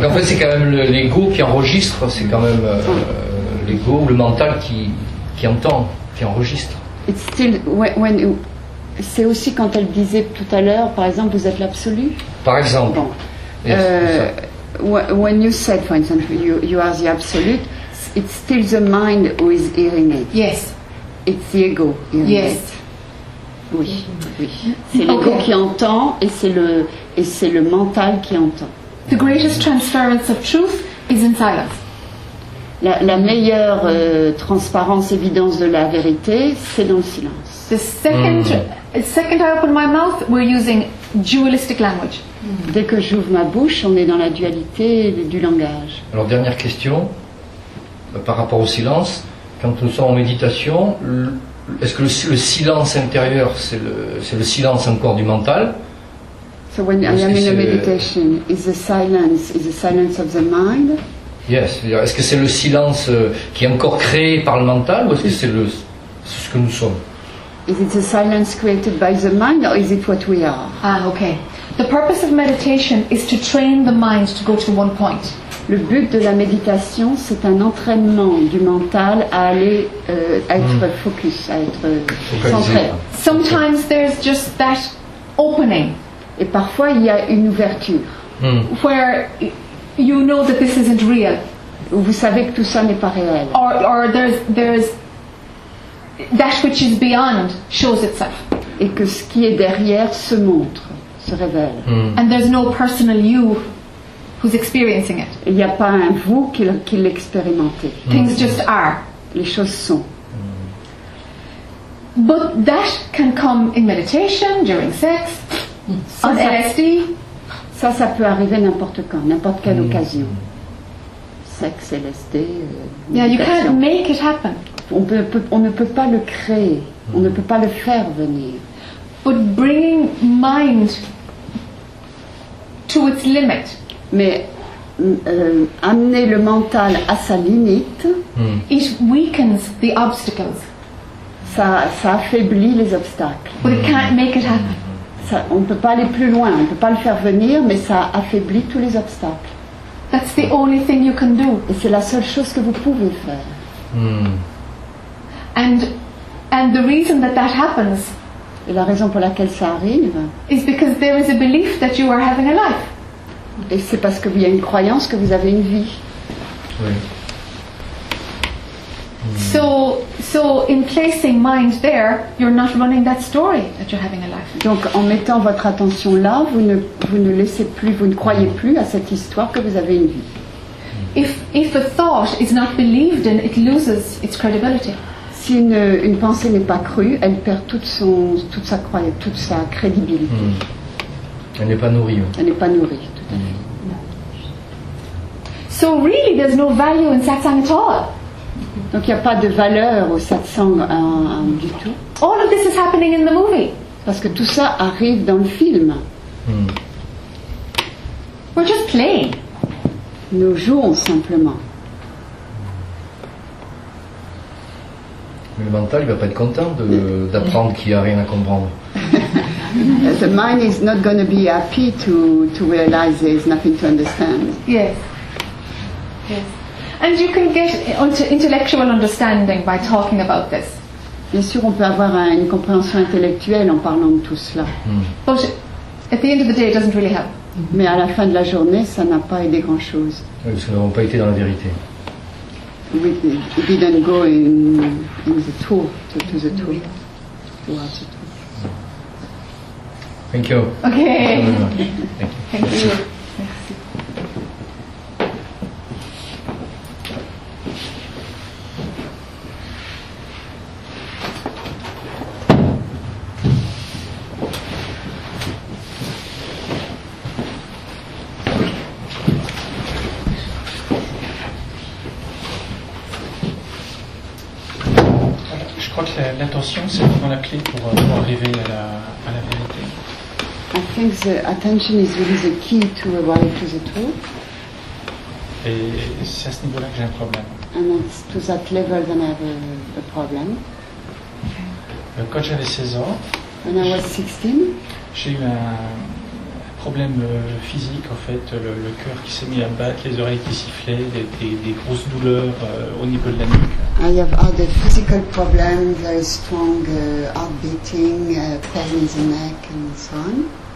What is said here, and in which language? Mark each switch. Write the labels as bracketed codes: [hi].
[fr] donc en fait c'est quand même l'ego qui enregistre, c'est quand même l'ego ou le mental qui entend, qui enregistre. [en] It's still when you... [fr] C'est aussi quand elle disait tout à l'heure, par exemple, vous êtes l'absolu. Par exemple. Bon. [en] Yes, when you said, for example, you are the absolute, it's still the mind who is hearing it. Yes. It's the ego hearing yes. it. [fr] Oui. Oui. C'est l'ego okay. qui entend et c'est le mental qui entend. [en] The greatest transference of truth is in silence. [fr] La meilleure transparence, évidence de la vérité, c'est dans le silence. [en] The second I open my mouth, we're using dualistic language. [fr] Dès que j'ouvre ma bouche, on est dans la dualité du langage. Alors dernière question, par rapport au silence, quand nous sommes en méditation, est-ce que le silence intérieur, c'est le silence encore du mental? [en] So when I am in a meditation, is the silence of the mind? Yes. [fr] Est-ce que c'est le silence qui est encore créé par le mental ou est-ce que c'est le c'est ce que nous sommes. [en] Is it the silence created by the mind, or is it what we are? Ah, okay. The purpose of meditation is to train the mind to go to one point. [fr] Le but de la méditation, c'est un entraînement du mental à aller être focus, à être centré. [en] Sometimes there's just that opening. [fr] Et parfois il y a une ouverture. [en] Mm. Where you know that this isn't real. [fr] Vous savez que tout ça n'est pas réel. [en] Or there's that which is beyond shows itself. [fr] Et que ce qui est derrière se montre, se révèle. Mm. [en] And there's no personal you who's experiencing it. [fr] Il n'y a pas un vous qui l'expérimentez. Mm. [en] Things just are. [fr] Les choses sont. Mm. [en] But that can come in meditation, during sex, on LSD. [fr] Ça peut arriver n'importe quand, n'importe quelle occasion. [en] Sex, LSD, yeah, you can't make it happen. [fr] On ne peut pas le créer. On ne peut pas le faire venir. [en] But bringing mind to its limit. [fr] Mais amener le mental à sa limite. [en] It weakens the obstacles. [fr] Ça affaiblit les obstacles. [en] But it can't make it happen. [fr] Ça, on ne peut pas aller plus loin, on ne peut pas le faire venir, mais ça affaiblit tous les obstacles. [en] That's the only thing you can do. [fr] Et c'est la seule chose que vous pouvez faire. [en] And the reason that that happens, [fr] et la raison pour laquelle ça arrive, [en] is because there is a belief that you are having a life. [fr] Et c'est parce qu'il y a une croyance que vous avez une vie. [en] So in placing mind there, you're not running that story that you're having a life. [fr] Donc en mettant votre attention là, vous ne laissez plus, vous ne croyez plus à cette histoire que vous avez une vie. [en] If a thought is not believed in, it loses its credibility. [fr] Si une pensée n'est pas crue, elle perd toute sa crédibilité. Mm. Elle n'est pas nourrie. Elle n'est pas nourrie, tout à fait. [en] No. So really, there's no value in satsang at all. [fr] Donc il n'y a pas de valeur au satsang du tout. [en] All of this is happening in the movie. [fr] Parce que tout ça arrive dans le film. [en] Mm. We're just playing. [fr] Nous jouons simplement. Mais le mental, il va pas être content d'apprendre qu'il n'y a rien à comprendre. [en] The mind is not going to be happy to realize there's nothing to understand. Yes. And you can get intellectual understanding by talking about this. [fr] Bien sûr, on peut avoir une compréhension intellectuelle en parlant de tout cela. Mm. [en] But at the end of the day, it doesn't really help. [fr] Mais à la fin de la journée, ça n'a pas aidé grand-chose. Oui, parce que nous n'avons pas été dans la vérité. [en] We didn't go in the truth, to the truth. Mm. Thank you. Okay. Thank you. Thank you. [fr] L'attention, c'est vraiment la clé pour arriver à la vérité. [en] I think the attention is really the key to arrive to the truth. [fr] Et c'est à ce niveau-là que j'ai un problème. [en] And it's to that level that I have a problem. [fr] Quand j'avais 16 ans, [en] when I was 16, [fr] j'ai eu un problème physique, en fait, le cœur qui s'est mis à battre, les oreilles qui sifflaient, des grosses douleurs au niveau de la nuque. [en] I have had a physical problem, very strong heart beating, pain in the neck, and so on.